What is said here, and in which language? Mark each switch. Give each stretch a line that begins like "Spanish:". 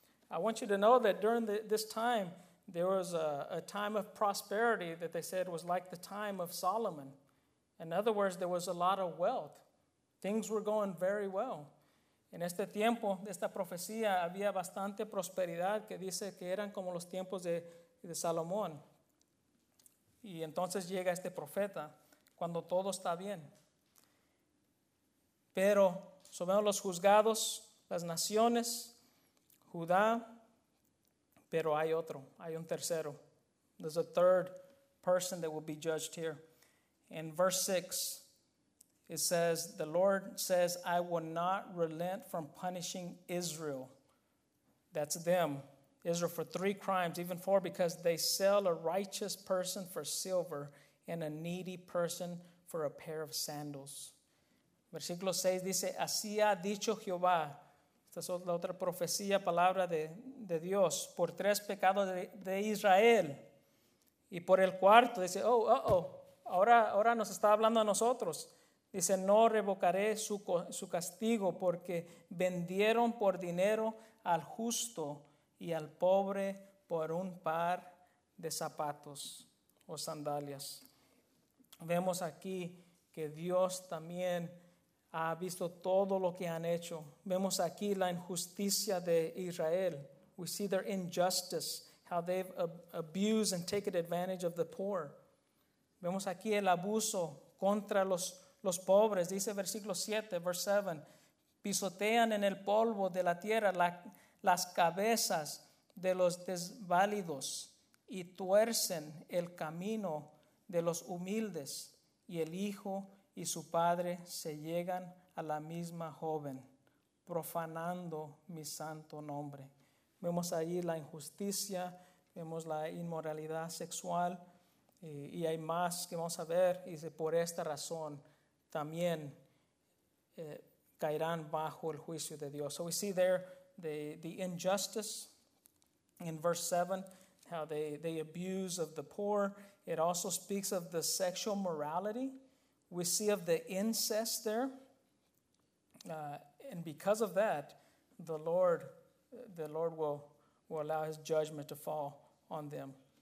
English: I want you to know that during this time, there was a time of prosperity that they said was like the time of Solomon. In other words, there was a lot of wealth. Things were going very well.
Spanish: En este tiempo, esta profecía, había bastante prosperidad, que dice que eran como los tiempos de Salomón. Y entonces llega este profeta cuando todo está bien. Pero sobre los juzgados, las naciones, Judá, pero hay otro, hay un tercero. There's a third person that will be judged here. In verse 6. It says, the Lord says, I will not relent from punishing Israel. That's them, Israel, for three crimes, even four, because they sell a righteous person for silver and a needy person for a pair of sandals. Versículo 6 dice, así ha dicho Jehová. Esta es la otra profecía, palabra de Dios. Por tres pecados de Israel. Y por el cuarto, dice, ahora nos está hablando a nosotros. Dice, no revocaré su castigo porque vendieron por dinero al justo y al pobre por un par de zapatos o sandalias. Vemos aquí que Dios también ha visto todo lo que han hecho. Vemos aquí la injusticia de Israel.
English: We see their injustice, how they've abused and taken advantage of the poor.
Spanish: Vemos aquí el abuso contra los pobres, dice versículo 7,
English: verse 7,
Spanish: pisotean en el polvo de la tierra las cabezas de los desválidos y tuercen el camino de los humildes, y el hijo y su padre se llegan a la misma joven, profanando mi santo nombre. Vemos ahí la injusticia, vemos la inmoralidad sexual, y hay más que vamos a ver, y dice, por esta razón también caerán bajo el juicio de Dios.
English: So we see there the injustice in verse 7, how they abuse of the poor. It also speaks of the sexual morality. We see of the incest there. And because of that, the Lord will allow his judgment to fall on them.